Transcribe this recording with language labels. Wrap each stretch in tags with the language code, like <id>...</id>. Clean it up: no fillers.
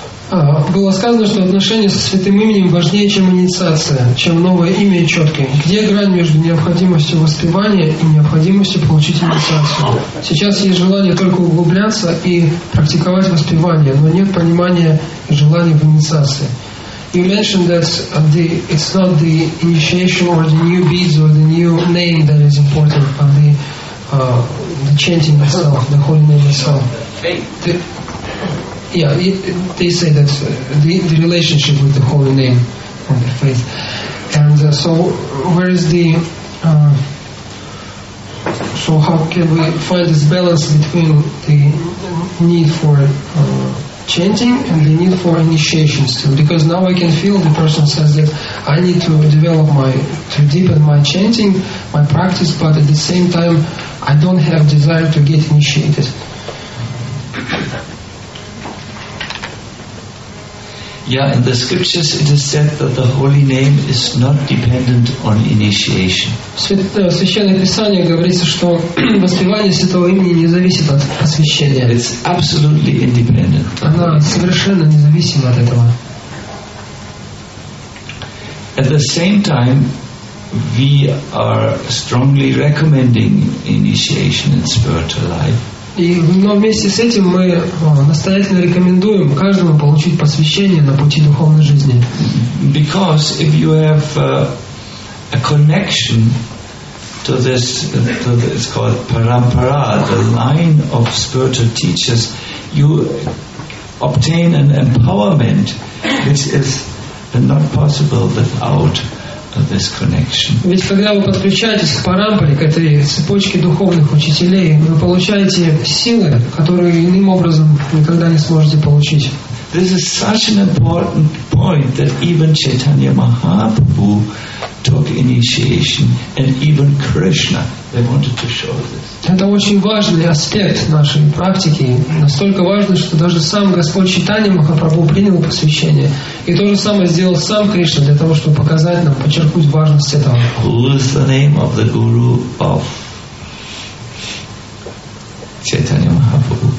<ru>Было сказано, что отношения со святым именем важнее, чем инициация, чем новое имя и четкое. Где грань между необходимостью воспевания и необходимостью получить инициацию? Сейчас есть желание только углубляться и практиковать воспевание, но нет понимания и желания в инициации.</ru> <en>You mentioned that it's not the initiation or the new beads or the new name that is important, but the chanting itself, the holy name itself. They say that the relationship with the holy name and the faith. And so where is the so how can we find this balance between the need for chanting and the need for initiation still? Because now I can feel the person says that I need to develop to deepen my chanting, my practice, but at the same time I don't have desire to get initiated. Yeah, in the scriptures it is said that the holy name is not dependent on initiation.</en> <ru>Священное Писание говорится, что воспевание святого имени не зависит от посвящения.</ru> <en>It's absolutely independent.</en> <ru>Она совершенно независима от этого.</ru> <en>At the same time, we are strongly recommending initiation in spiritual life.</en> <ru>Но вместе с этим мы настоятельно рекомендуем каждому получить посвящение на пути духовной жизни.</ru> <en>Because if you have a connection to this, it's called parampara, the line of spiritual teachers, you obtain an empowerment which is not possible without this connection.</en> <ru>Ведь когда вы подключаетесь к парампаре, к этой цепочке духовных учителей, вы получаете силы, которые иным образом никогда не сможете получить.</ru> <en>This is such an important point that even Chaitanya Mahaprabhu took initiation, and even Krishna, they wanted to show this.</en> <ru>Это очень важный аспект нашей практики, настолько важный, что даже сам Господь Чайтанья Махапрабху принял посвящение, и то же самое сделал сам Кришна для того, чтобы показать нам, подчеркнуть важность этого.</ru> <en>Who is the name of the guru of Чайтанья Махапрабху?</en>